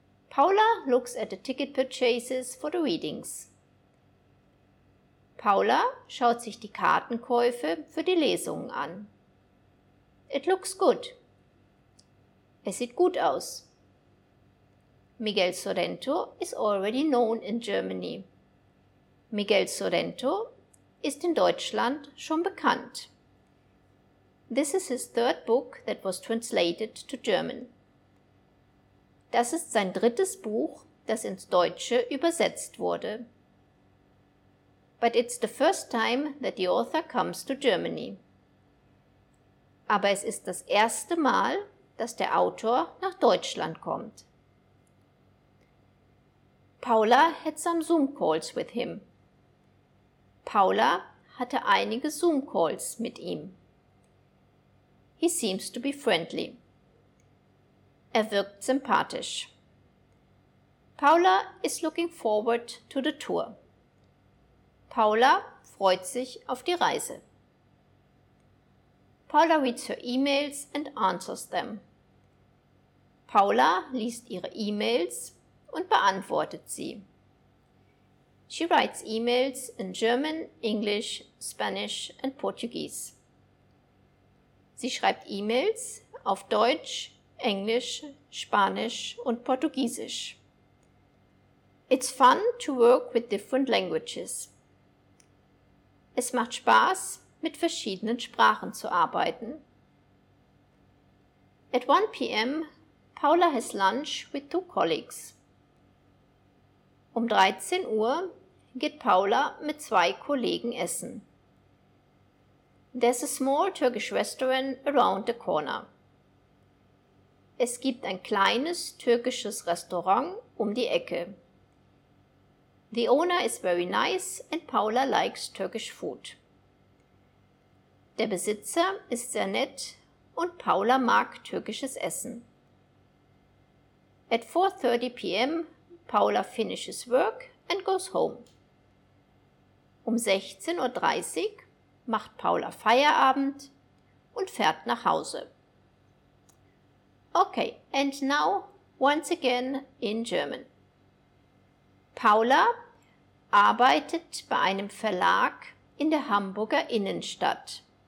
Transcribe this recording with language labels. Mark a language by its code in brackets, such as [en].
[en] Paula looks at the ticket purchases for the readings. [de] Paula schaut sich die Kartenkäufe für die Lesungen an. [en] It looks good. [de] Es sieht gut aus. [en] Miguel Sorrento is already known in Germany. [de] Miguel Sorrento ist in Deutschland schon bekannt. [en] This is his third book that was translated to German. [de] Das ist sein drittes Buch, das ins Deutsche übersetzt wurde. [en] But it's the first time that the author comes to Germany. [de] Aber es ist das erste Mal, dass der Autor nach Deutschland kommt. [en] Paula had some Zoom calls with him. [de] Paula hatte einige Zoom calls mit ihm. [en] He seems to be friendly. [de] Er wirkt sympathisch. [en] Paula is looking forward to the tour. [de] Paula freut sich auf die Reise. [en] Paula reads her emails and answers them. [de] Paula liest ihre E-Mails und beantwortet sie. [en] She writes emails in German, English, Spanish and Portuguese. [de] Sie schreibt E-Mails auf Deutsch, Englisch, Spanisch und Portugiesisch. [en] It's fun to work with different languages. [de] Es macht Spaß, mit verschiedenen Sprachen zu arbeiten. [en] At 1 p.m., Paula has lunch with 2 colleagues. [de] Um 13 Uhr geht Paula mit 2 Kollegen essen. [en] There's a small Turkish restaurant around the corner. [de] Es gibt ein kleines türkisches Restaurant um die Ecke. [en] The owner is very nice and Paula likes Turkish food. [de] Der Besitzer ist sehr nett und Paula mag türkisches Essen. [en] At 4:30 p.m., Paula finishes work and goes home. [de] Um 16:30 Uhr macht Paula Feierabend und fährt nach Hause. [en] Okay, and now once again in German. [de] Paula arbeitet bei einem Verlag in der Hamburger Innenstadt.